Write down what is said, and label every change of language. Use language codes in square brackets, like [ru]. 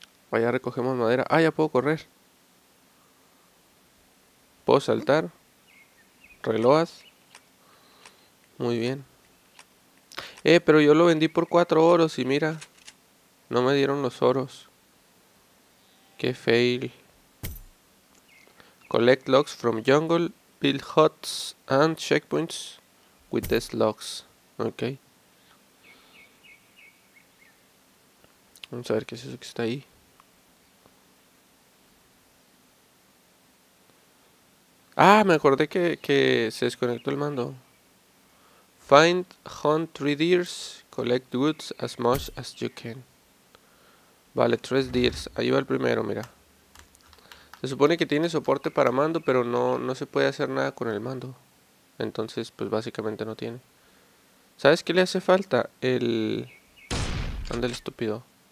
[es] Vaya, recogemos madera. Ah, ya puedo correr. Puedo saltar. Reloas. Muy bien. Pero yo lo vendí por 4 oros y mira, no me dieron los oros. Qué fail. [en] Collect logs from jungle. Build huts and checkpoints with these logs. Okay. [es] Vamos a ver qué es eso que está ahí. Ah, me acordé que se desconectó el mando. [en] Find, hunt three deers, collect goods as much as you can. [es] Vale, tres deers. Ahí va el primero, mira. Se supone que tiene soporte para mando, pero no se puede hacer nada con el mando. Entonces, pues básicamente no tiene. ¿Sabes qué le hace falta? El... Anda el estúpido.